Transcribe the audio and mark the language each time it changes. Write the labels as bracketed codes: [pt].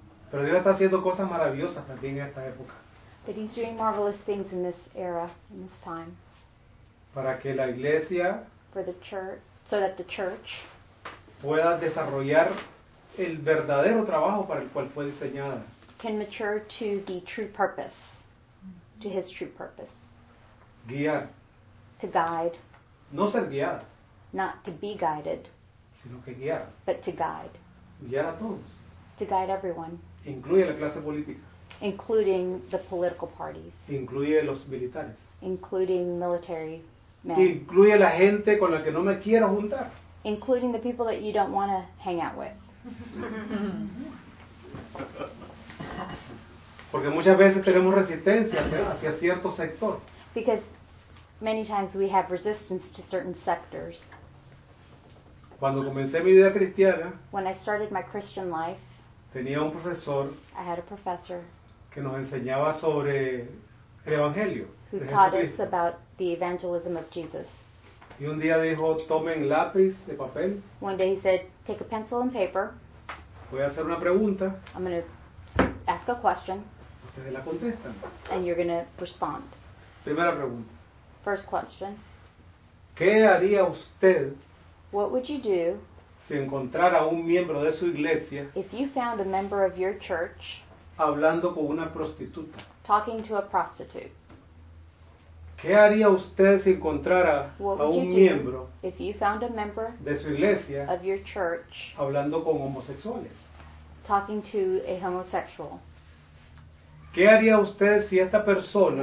[es] Pero Dios está haciendo cosas maravillosas también en esta época. [en] But He's doing marvelous things in this era, in this time. [es] Para que la iglesia, [en] for the church, so that the church [es] pueda desarrollar el verdadero trabajo para el cual fue diseñada. [en] Can mature to the true purpose, to His true purpose. [es] Guiar. [en] To guide. [es] No ser guiado. [en] Not to be guided. [es] Sino que guiar. [en] But to guide. [es] Guiar a todos. [en] To guide everyone. [es] Incluye la clase política. [en] Including the political parties. [es] Incluye los militares. [en] Including military men. [es] Incluye la gente con la que no me quiero juntar. [en] Including the people that you don't want to hang out with. [es] Porque muchas veces tenemos resistencia hacia cierto sector. [en] Because many times we have resistance to certain sectors. [es] Cuando comencé mi vida cristiana, [en] when I started my Christian life, [es] tenía un profesor, [en] I had a professor [es] que nos enseñaba sobre el evangelio, [en] who taught us about the evangelism of Jesus. [es] Y un día dijo, tomen lápiz de papel. [en] One day he said, take a pencil and paper. [es] Voy a hacer una pregunta. [en] I'm going to ask a question. [es] Ustedes la contestan. [en] And you're going to respond. [es] Primera pregunta. [en] First question. [es] ¿Qué haría usted? [en] What would you do [es] si encontrara un miembro de su iglesia, [en] if you found a member of your church [es] hablando con una prostituta? [en] Talking to a prostitute. [es] ¿Qué haría usted si encontrara a un miembro [en] if you found a member [es] de su iglesia [en] of your church [es] hablando con homosexuales? [en] Talking to a homosexual. [es] ¿Qué haría usted si esta persona,